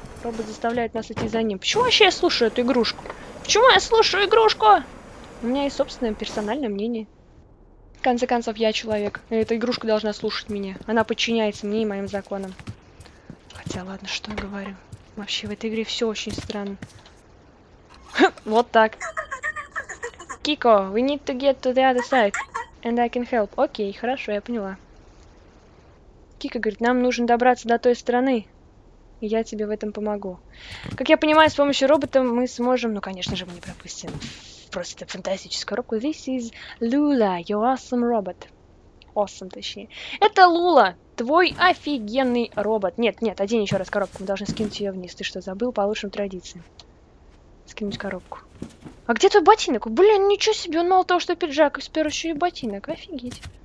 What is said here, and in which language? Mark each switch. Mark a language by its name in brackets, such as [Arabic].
[Russian] Робот заставляет нас идти за ним. Почему вообще я слушаю эту игрушку? Почему я слушаю игрушку? У меня есть собственное персональное мнение. В конце концов, я человек. Эта игрушка должна слушать меня. Она подчиняется мне и моим законам. Хотя, ладно, что я говорю. Вообще, в этой игре все очень странно. Вот так. [English] Кико, we need to get to the other side. And I can help. [Russian] Окей, хорошо, я поняла. Кико говорит, нам нужно добраться до той стороны. И я тебе в этом помогу. Как я понимаю, с помощью робота мы сможем... Ну, конечно же, мы не пропустим. Просто это фантастическая коробка. [English] This is Lula, your awesome robot. Awesome, [Russian] точнее. Это Лула, твой офигенный робот. Нет, нет, одень еще раз коробку. Мы должны скинуть ее вниз. Ты что, забыл по лучшим традициям? Скинуть коробку. А где твой ботинок? Блин, ничего себе, он мало того, что пиджак, и спер еще и ботинок. Офигеть.